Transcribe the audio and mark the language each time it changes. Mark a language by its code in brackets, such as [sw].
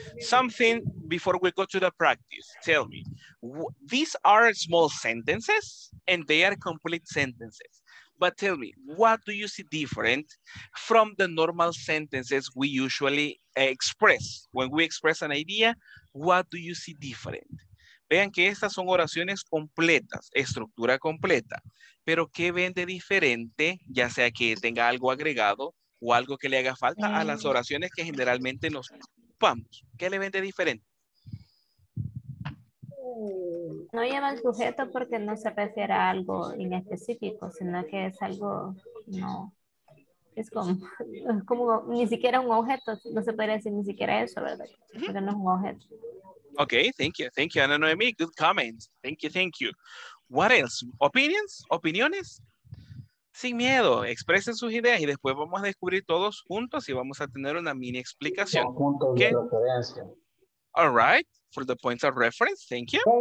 [en] Something before we go to the practice, tell me, these are small sentences and they are complete sentences. But tell me, what do you see different from the normal sentences we usually express? When we express an idea, what do you see different? [es] Vean que estas son oraciones completas, estructura completa. Pero ¿qué ven de diferente? Ya sea que tenga algo agregado o algo que le haga falta a las oraciones que generalmente nos ocupamos. ¿Qué le ven de diferente? No lleva el sujeto porque no se refiere a algo en específico, sino que es algo, no, es como ni siquiera un objeto, no se puede decir ni siquiera eso, ¿verdad? Porque no es un objeto. [en] Okay, thank you, Ana Noemi, good comment. Thank you. What else? Opinions? Opiniones? [es] Sin miedo, expresen sus ideas y después vamos a descubrir todos juntos y vamos a tener una mini explicación. Conjunto de referencia. [en] All right, for the points of reference, thank you.